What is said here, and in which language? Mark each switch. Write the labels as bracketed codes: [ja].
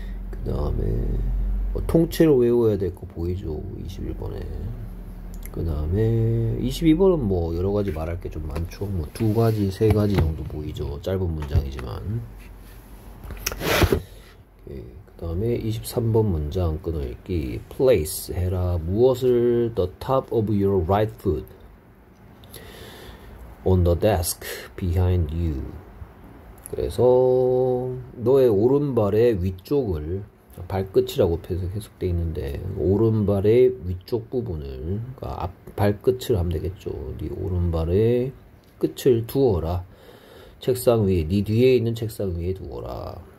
[ko] 그 다음에 통째로 외워야 될거 보이죠? 21번에. 그 다음에 22번은 뭐 여러 가지 말할 게좀 많죠. 뭐두 가지, 세 가지 정도 보이죠. 짧은 문장이지만. 그 다음에 23번 문장 끊어읽기. Place 해라. 무엇을? [en] The top of your right foot on the desk behind you. [ko] 그래서 너의 오른발의 위쪽을 발끝이라고 해석되어 있는데, 오른발의 위쪽 부분을, 그러니까 발끝을 하면 되겠죠. 네 오른발의 끝을 두어라. 책상 위에, 네 뒤에 있는 책상 위에 두어라.